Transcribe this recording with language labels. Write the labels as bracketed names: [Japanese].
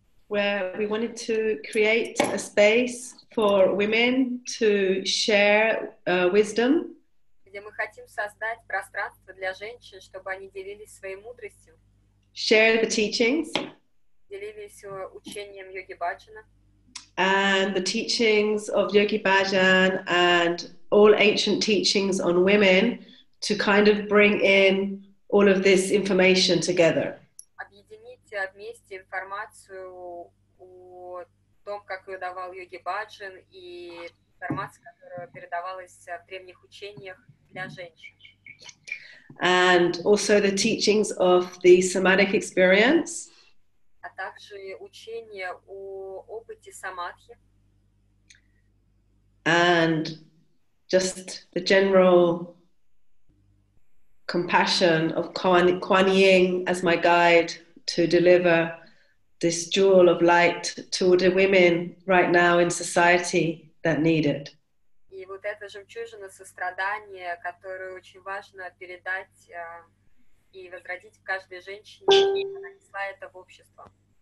[English] Where we wanted to create a space for women to share wisdom. [Russian] Где мы хотим создать пространство для женщин, чтобы они делились своей мудростью. [English] Share the teachings. [Russian] Делились учением йоги Баджана. [English] And the teachings of Yogi Bhajan and all ancient teachings on women to kind of bring in all of this information together. [Russian] Объединить вместе информацию о том, как ее давал йоги Баджан, и информацию, которая передавалась в древних учениях для женщин. [English] And also the teachings of the somatic experience. [Russian] А также учение о опыте самадхи. [English] And just the general compassion of Kuan Yin as my guide to deliver this jewel of light to the women right now in society that need it. [Russian] И вот эта жемчужина сострадания, которую очень важно передать и возродить в каждой женщине, и она несла это в общество.